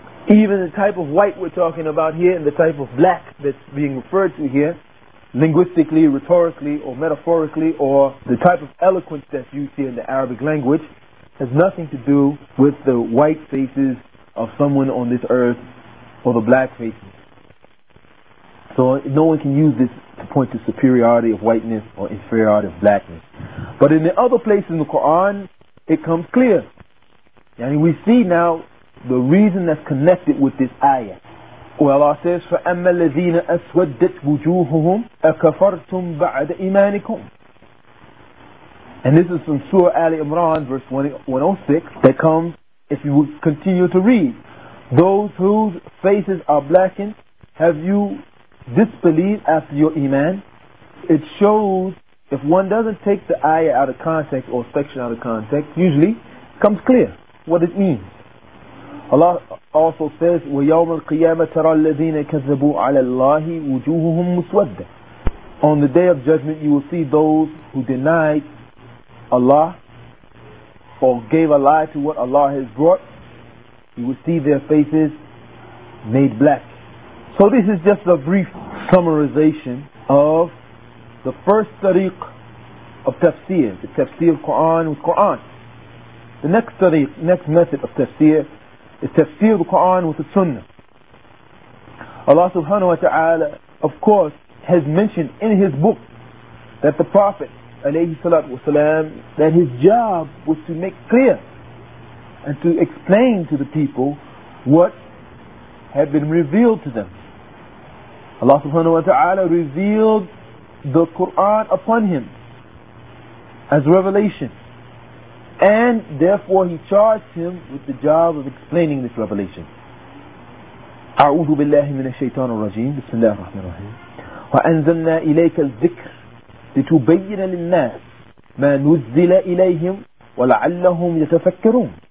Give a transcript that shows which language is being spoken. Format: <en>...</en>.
<en>even the type of white we're talking about here and the type of black that's being referred to here, linguistically, rhetorically, or metaphorically, or the type of eloquence that's used here in the Arabic language, has nothing to do with the white faces of someone on this earth or the black faces. So no one can use this to point to superiority of whiteness or inferiority of blackness. But in the other places in the Quran, it comes clear. And we see now the reason that's connected with this ayah. Well, Allah says,</en> <ar>فَأَمَّا الَّذِينَ أَسْوَدَّتْ وُجُوهُهُمْ أَكَفَرْتُمْ بَعْدَ إِيمَانِكُمْ.</ar> <en>And this is from Surah Ali Imran, verse 106, that comes, if you would continue to read, those whose faces are blackened, have you disbelieved after your iman? It shows, if one doesn't take the ayah out of context or section out of context, usually it comes clear what it means. Allah also says,</en> <ar>وَيَوْمَ الْقِيَامَةَ تَرَى الَّذِينَ كَذَّبُوا عَلَى اللَّهِ وُجُوهُهُمْ مُسْوَدَّةٌ.</ar> <en>On the Day of Judgment, you will see those who denied Allah or gave a lie to what Allah has brought. You will see their faces made black. So this is just a brief summarization of the first tariq of tafsir, the tafsir of Quran with Quran. The next tariq, next method of tafsir, is tafsir the Quran with the Sunnah. Allah subhanahu wa ta'ala, of course, has mentioned in his book that the Prophet alayhi salatu wasalam, that his job was to make clear and to explain to the people what had been revealed to them. Allah subhanahu wa ta'ala revealed the Quran upon him as revelation. And therefore he charged him with the job of explaining this revelation.</en> <ar>أعوذ بالله من الشيطان الرجيم بسم الله الرحمن الرحيم وأنزلنا إليك الذكر لتبين للناس ما نزل إليهم ولعلهم يتفكرون.</ar>